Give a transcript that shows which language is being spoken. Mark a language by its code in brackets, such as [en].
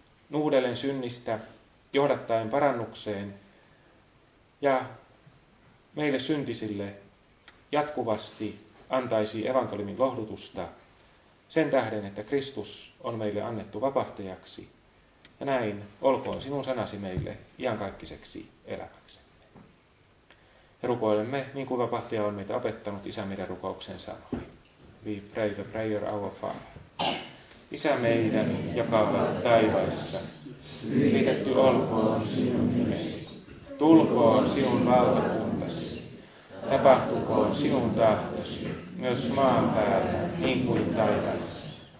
[fi] Nuhdellen synnistä, johdattaen parannukseen ja meille syntisille jatkuvasti antaisi evankeliumin lohdutusta sen tähden, että Kristus on meille annettu vapahtajaksi. Ja näin olkoon sinun sanasi meille iankaikkiseksi eläväksemme. Ja rukoilemme, niin kuin vapahtaja on meitä opettanut, Isä meidän rukouksen sanoi. [en] We pray the prayer our Father. [fi] Isä meidän, joka olet taivaissa, pyhitetty olkoon sinun nimesi, tulkoon sinun valtakuntasi, tapahtukoon sinun tahtosi, myös maan päällä niin kuin taivaassa.